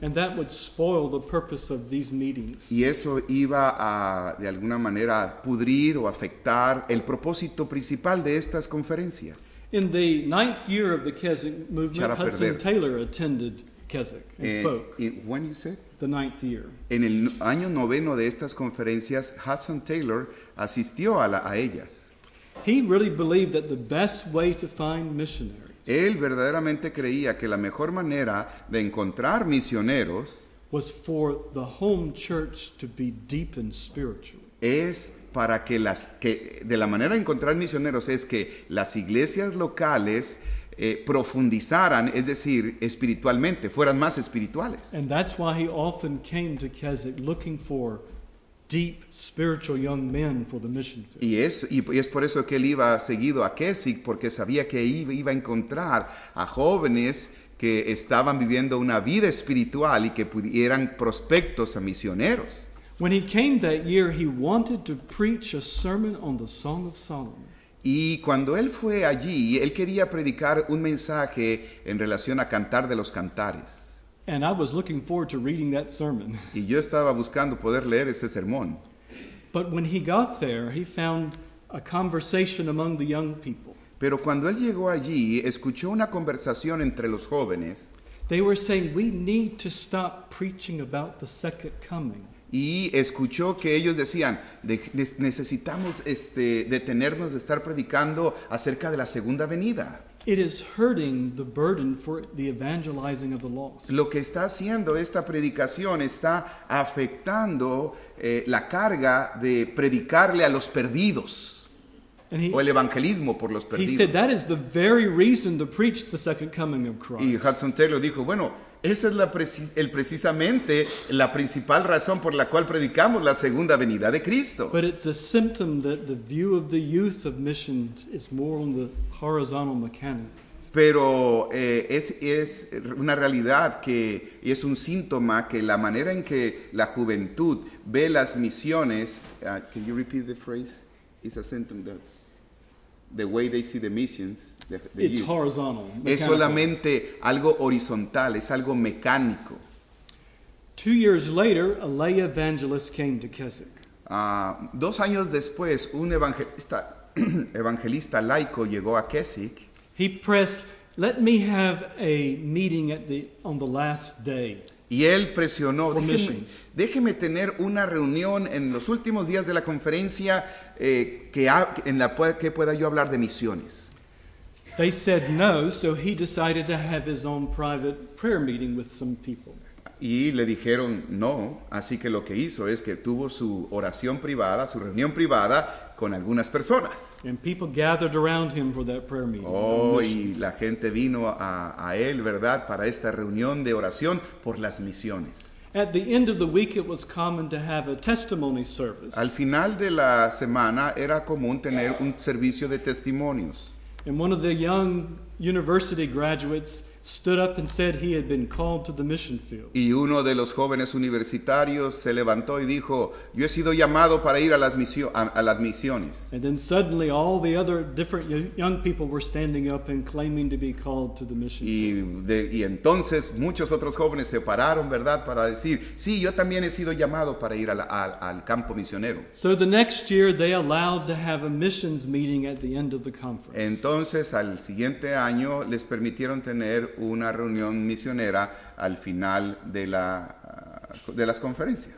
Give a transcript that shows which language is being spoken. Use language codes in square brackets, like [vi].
[en] And that would spoil the purpose of these meetings. [es] Y eso iba a, de alguna manera, pudrir o afectar el propósito principal de estas conferencias. [en] In the ninth year of the Keswick movement, Hudson Taylor attended Keswick and spoke. When you said? The ninth year. [es] En el año noveno de estas conferencias, Hudson Taylor asistió a ellas. [en] He really believed that the best way to find missionaries. [es] Él verdaderamente creía que la mejor manera de encontrar misioneros [en] was for the home church to be deepened spiritually. [es] Es para que de la manera de encontrar misioneros es que las iglesias locales profundizaran, es decir, espiritualmente, fueran más espirituales. [en] And that's why he often came to Keswick looking for deep spiritual young men for the mission field. [es] Y es por eso que él iba seguido a Keswick, porque sabía que iba a encontrar a jóvenes que estaban viviendo una vida espiritual y que pudieran prospectos a misioneros. [en] When he came that year, he wanted to preach a sermon on the Song of Solomon. [es] Y cuando él fue allí, él quería predicar un mensaje en relación a Cantar de los Cantares. [en] And I was looking forward to reading that sermon. [es] Y yo estaba buscando poder leer ese sermón. [en] But when he got there, he found a conversation among the young people. [es] Pero cuando él llegó allí, escuchó una conversación entre los jóvenes. [en] They were saying, we need to stop preaching about the second coming. [es] Y escuchó que ellos decían, necesitamos detenernos de estar predicando acerca de la segunda venida. [en] It is hurting the burden for the evangelizing of the lost. [es] Lo que está haciendo esta predicación está afectando la carga de predicarle a los perdidos. [en] And he, [es] o el evangelismo por los perdidos. [en] He said that is the very reason to preach the second coming of Christ. [es] Y Hudson Taylor dijo, bueno, esa es precisamente la principal razón por la cual predicamos la segunda venida de Cristo. [en] But it's a symptom that the view of the youth of missions is more on the horizontal mechanics. [es] Pero es una realidad que, y es un síntoma que la manera en que la juventud ve las misiones, [en] can you repeat the phrase? It's a symptom that the way they see the missions, it's horizontal, mechanical. [es] Es solamente algo horizontal, es algo mecánico. [en] 2 years later, a lay evangelist came to Keswick. [es] 2 años después, un evangelista laico llegó a Keswick. [en] He pressed, "Let me have a meeting at the on the last day." [es] Y él presionó, déjeme tener una reunión en los últimos días de la conferencia que pueda yo hablar de misiones. [en] They said no, so he decided to have his own private prayer meeting with some people. [es] Y le dijeron no, así que lo que hizo es que tuvo su oración privada, su reunión privada con algunas personas. [en] And people gathered around him for that prayer meeting. [es] Oh, y la gente vino a él, ¿verdad?, para esta reunión de oración por las misiones. [en] At the end of the week, it was common to have a testimony service. [es] Al final de la semana era común tener un servicio de testimonios. [en] And one of the young university graduates stood up and said he had been called to the mission field. [es] Y uno de los jóvenes universitarios se levantó y dijo, yo he sido llamado para ir a las misiones. [en] And then suddenly all the other different young people were standing up and claiming to be called to the mission field. [es] Y entonces muchos otros jóvenes se pararon, ¿verdad?, para decir, sí, yo también he sido llamado para ir al campo misionero. [en] So the next year they allowed to have a missions meeting at the end of the conference. [es] Entonces al siguiente año les permitieron tener una reunión misionera al final de las conferencias.